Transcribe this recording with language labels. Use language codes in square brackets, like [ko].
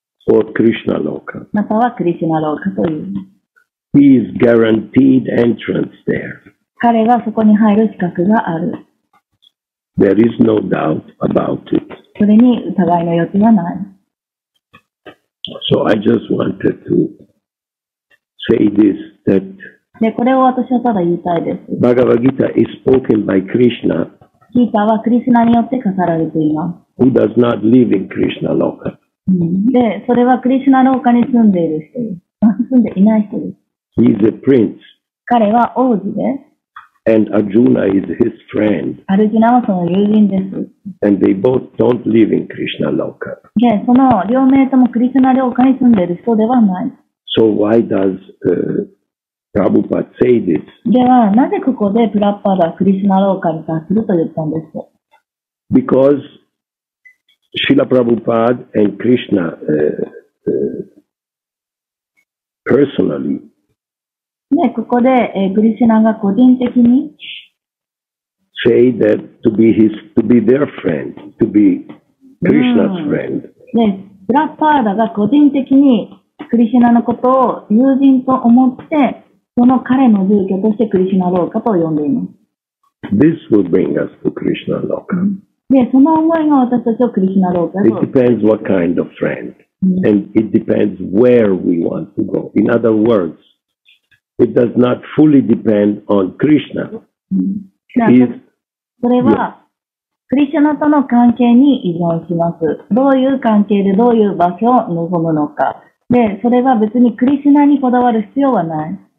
[en] Or Krishna Loka. [ja] またはクリシュナローカという。 [en] He is guaranteed entrance there. [ja] 彼がそこに入る資格がある。 [en] There is no doubt about it. [ja] それに疑いの余地はない。 [en] So I just wanted to say this, that [ja] でこれを私はただ言いたいです。 [en] Bhagavad Gita is spoken by Krishna. [ja] ギータはクリシュナによって語られています。 [en] He does not live in Krishna Loka. [ja] で、それはクリシュナローカに住んでいる人です。住んでいない人です。 [en] He is a prince. [ja] 彼は王子です。 [en] And Arjuna is his friend. [ja] アルジュナはその友人です。 [en] And they both don't live in Krishna Loka. [ja] で、その両名ともクリシュナローカに住んでいる人ではない。 [en] So why does, Prabhupada say this. [ja] ではなぜここでプラッパーダはクリシュナローカに達すると言ったんですか? [en] Because Srila Prabhupada and Krishna personally. [ja] ね、ここで、クリシュナが個人的に [en] say that to be his, to be their friend, to be Krishna's friend. [ja] ね、プラッパーダが個人的にクリシュナのことを友人と思ってその彼の住居としてクリシュナローカと呼んでいます。 [en] This will bring us to Krishna Loka. [ja] で、その思いが私たちをクリシュナローカと。 [en] It depends what kind of friend, and it depends where we want to go. In other words, it does not fully depend on Krishna. [ja] それは、クリシュナとの関係に依存します。どういう関係でどういう場所を望むのか。で、それは別にクリシュナにこだわる必要はない。